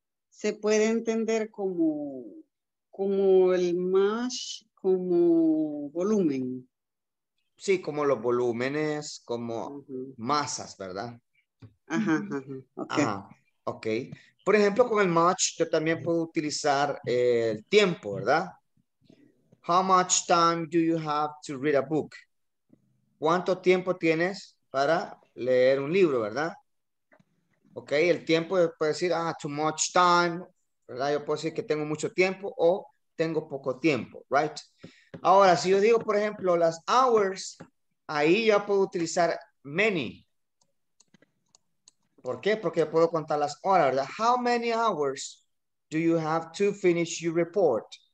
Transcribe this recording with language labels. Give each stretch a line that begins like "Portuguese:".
Spanish: Se puede entender como, como el mash, como volumen. Sí, como los volúmenes, como masas, ¿verdad? Ajá, okay. Por ejemplo, con el much, yo también puedo utilizar el tiempo, ¿verdad?
English: How much time do you have to read a book?
Spanish: ¿Cuánto tiempo tienes para leer un libro, verdad? Ok, el tiempo, yo puedo decir,
English: too much time,
Spanish: ¿verdad? Yo puedo decir que tengo mucho tiempo o tengo poco tiempo, right? Ahora, si yo digo, por ejemplo, las hours, ahí ya puedo utilizar many. ¿Por qué? Porque puedo contar las horas, ¿verdad?
English: How many hours do you have to finish your report?